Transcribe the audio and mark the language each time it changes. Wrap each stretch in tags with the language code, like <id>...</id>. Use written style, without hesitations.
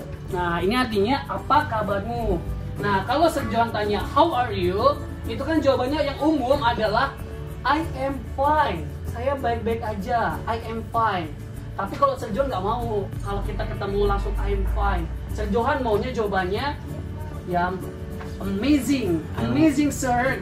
<id>Nah, ini artinya apa kabarmu? Nah, kalau Sir John tanya</id> <en>how are you?</en> <id>Itu kan jawabannya yang umum adalah</id> <en>I am fine.</en> <id>Saya baik-baik aja.</id> <en>I am fine.</en> <id>Tapi kalau Sir John gak mau kalau kita ketemu langsung I am fine. Sir John maunya jawabannya yang amazing.</id> <en>Amazing, sir.</en>